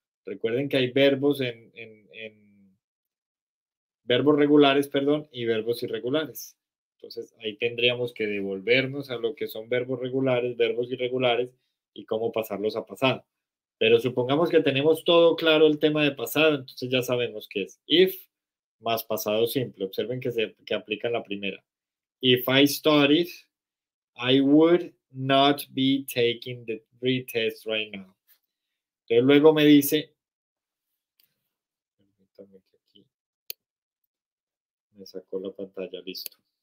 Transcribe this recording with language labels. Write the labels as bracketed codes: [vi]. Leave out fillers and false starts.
[es] Recuerden que hay verbos en verbos regulares, perdón, y verbos irregulares. Entonces, ahí tendríamos que devolvernos a lo que son verbos regulares, verbos irregulares, y cómo pasarlos a pasado. Pero supongamos que tenemos todo claro el tema de pasado, entonces ya sabemos que es if más pasado simple. Observen que aplica la primera. [en] If I studied, I would not be taking the retest right now. [es] Entonces luego me dice, permítanme que aquí me sacó la pantalla, listo.